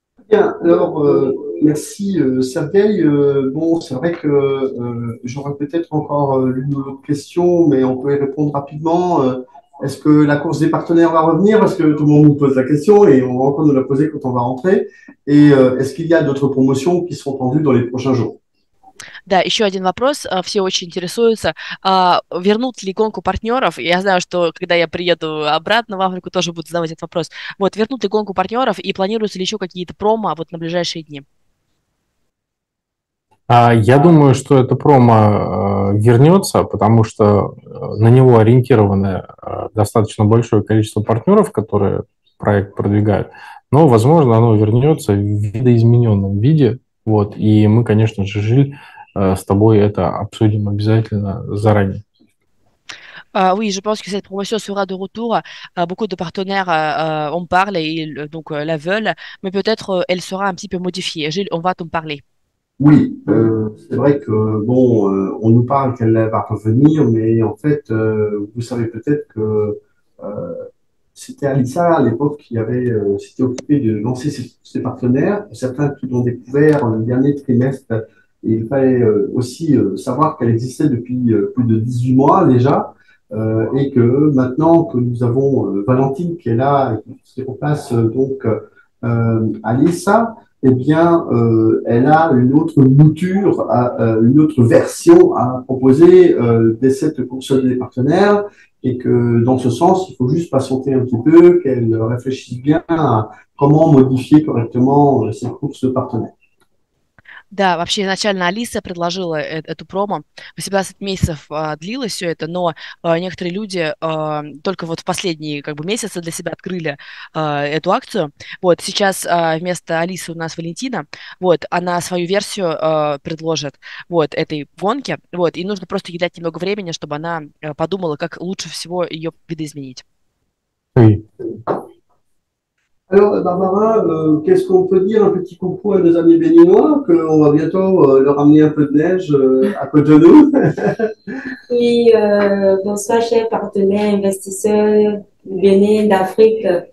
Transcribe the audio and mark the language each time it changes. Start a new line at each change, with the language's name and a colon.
French: Bien, alors merci Sergueï. Bon, c'est vrai que j'aurais peut-être encore une autre question, mais on peut y répondre rapidement. Est-ce que la course des partenaires va revenir? Parce que tout le monde nous pose la question et on va encore nous la poser quand on va rentrer. Et est-ce qu'il y a d'autres promotions qui seront tendues dans les prochains jours?
Russian: Да, еще один вопрос. Все очень интересуются, вернут ли гонку партнеров. Я знаю, что когда я приеду обратно в Африку, тоже будут задавать этот вопрос. Вот, вернут ли гонку партнеров и планируются ли еще какие-то промо вот на ближайшие дни? Я думаю, что это промо вернется, потому что на него ориентированы достаточно большое количество партнеров, которые проект продвигают. Но, возможно, оно вернется в видоизмененном виде. Вот, и мы, конечно же, Жиль, с тобой это обсудим обязательно заранее.
French: Oui, je pense que cette promotion sera de retour. Beaucoup de partenaires en parlent et ils donc la veulent, mais peut-être elle sera un petit peu modifiée. Gilles, on va t'en parler. Oui, c'est vrai que bon, on nous parle qu'elle va revenir, mais en fait, vous savez peut-être que c'était Alissa à l'époque qui avait s'était occupée de lancer ses partenaires. Certains qui l'ont découvert le dernier trimestre, et il fallait aussi savoir qu'elle existait depuis plus de 18 mois déjà, et que maintenant que nous avons Valentine qui est là, et qui remplace donc Alissa. Eh bien, elle a une autre mouture, une autre version à proposer dès cette course des partenaires, et que dans ce sens, il faut juste patienter un petit peu, qu'elle réfléchisse bien à comment modifier correctement cette course de partenaires.
Russian: Да, вообще изначально Алиса предложила эту промо. 18 месяцев длилось все это, но некоторые люди только вот в последние как бы месяцы для себя открыли эту акцию. Вот сейчас вместо Алисы у нас Валентина. Вот она свою версию предложит вот этой гонке. Вот и нужно просто ей дать немного времени, чтобы она подумала, как лучше всего ее видоизменить.
French: Oui. Alors, Barbara, qu'est-ce qu'on peut dire un petit coucou à nos amis béninois, qu'on va bientôt leur amener un peu de neige à côté de nous? Oui, bonsoir chers partenaires, investisseurs, bienvenue d'Afrique.